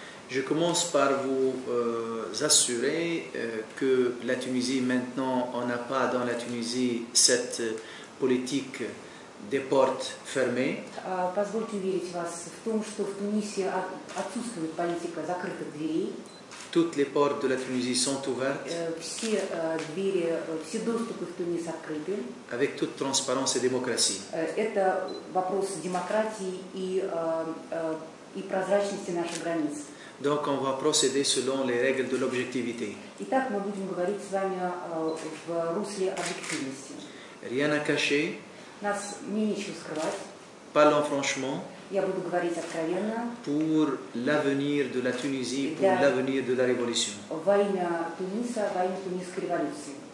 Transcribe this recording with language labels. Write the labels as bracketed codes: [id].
[fr] Je commence par vous assurer que la Tunisie maintenant on n'a pas dans la Tunisie cette politique des portes fermées. [ru] Позвольте уверить вас в том, что в Тунисе отсутствует политика закрытых дверей. [fr] Toutes les portes de la Tunisie sont ouvertes. [ru] Все двери, все доступы в Тунис открыты. [fr] Avec toute transparence et démocratie. [ru] Это вопрос демократии и прозрачности наших границ. [fr] Donc on va procéder selon les règles de l'objectivité. [ru] Итак, мы будем говорить с вами в русле объективности. [fr] Rien à cacher. [ru] Нас не нечего скрывать. [fr] Parlons franchement. [ru] Я буду говорить откровенно. [fr] Pour l'avenir de la Tunisie, pour l'avenir de la révolution. [ru] Во имя Туниса, во имя Тунисской революции.